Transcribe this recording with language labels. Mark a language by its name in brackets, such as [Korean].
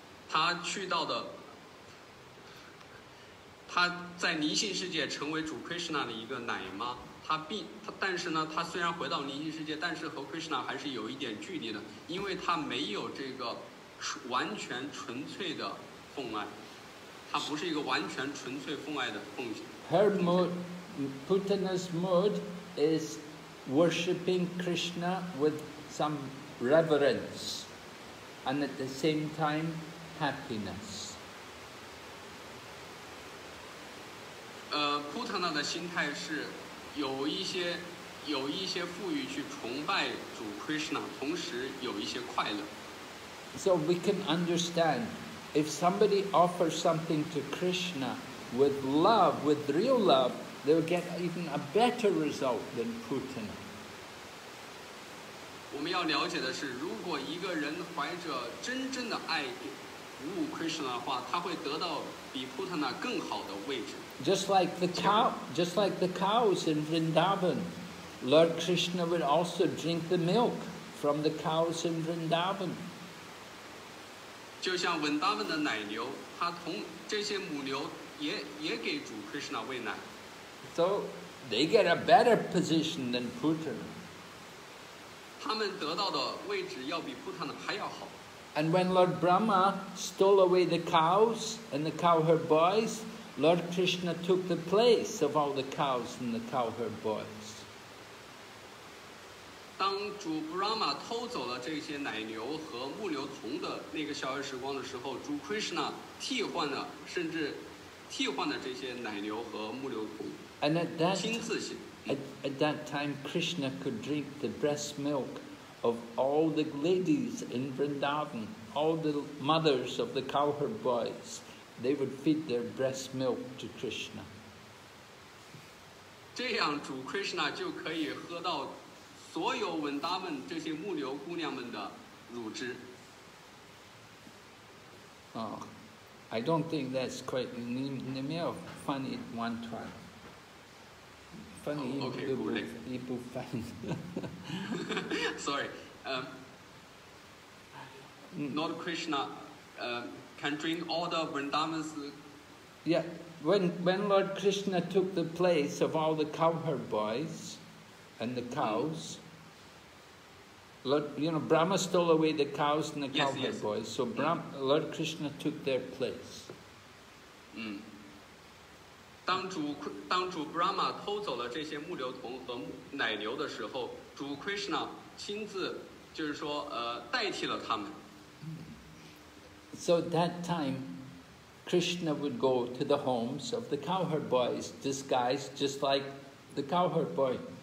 [Chinese] 她去到的，她在灵性世界成为主 Krishna 的一个奶妈。但是呢，她虽然回到灵性世界，但是和 Krishna 还是有一点距离的，因为她没有这个完全纯粹的奉爱。她不是一个完全纯粹奉爱的奉献。 [English] Her mood, Putana's mood, is worshipping Krishna with some reverence, and at the same time, happiness. [Chinese] Putana 的心态是有一些富裕去崇拜主 Krishna, 同时有一些快乐。 [English] So we can understand. If somebody offers something to Krishna with love, with real love, they'll get even a better result than Putana. [Chinese] 我们要了解的是，如果一个人怀着真正的爱服务 Krishna 的话，他会得到比 Putana 更好的位置。 [English] Just like the cows in Vrindavan, Lord Krishna would also drink the milk from the cows in Vrindavan. [Chinese] 就像文达文的奶牛，他同这些母牛也给主 Krishna 喂奶。 [English] So they get a better position than Putana. [Chinese] 他们得到的位置要比 Putana 还要好。 [English] And when Lord Brahma stole away the cows and the cowherd boys, Lord Krishna took the place of all the cows and the cowherd boys. [Chinese] 当主 Brahma 偷走了这些奶牛和牧牛童的那个小儿时光的时候，主 Krishna 甚至替换了这些奶牛和牧牛童。 [English] And at that, [Chinese] 亲自行。 [English] At that time, Krishna could drink the breast milk of all the ladies in Vrindavan, all the mothers of the cowherd boys. They would feed their breast milk to Krishna. [Chinese] 这样主 Krishna 就可以喝到。所有文达们这些牧牛姑娘们的乳汁。 [English] Oh, I don't think that's quite. They may have funny one time. Funny, oh, okay, people find. Sorry, Lord Krishna, can drink all the Vrindavan's. Yeah, when Lord Krishna took the place of all the cowherd boys, and the cows. Brahma stole away the cows and the cowherd yes, yes. boys, so Brahma, Lord Krishna took their place. [Chinese] 当主 Brahma 偷走了这些牧牛童和奶牛的时候，主 Krishna 亲自就是说代替了他们。 [English] So that time, Krishna would go to the homes of the cowherd boys disguised just like the cowherd boy.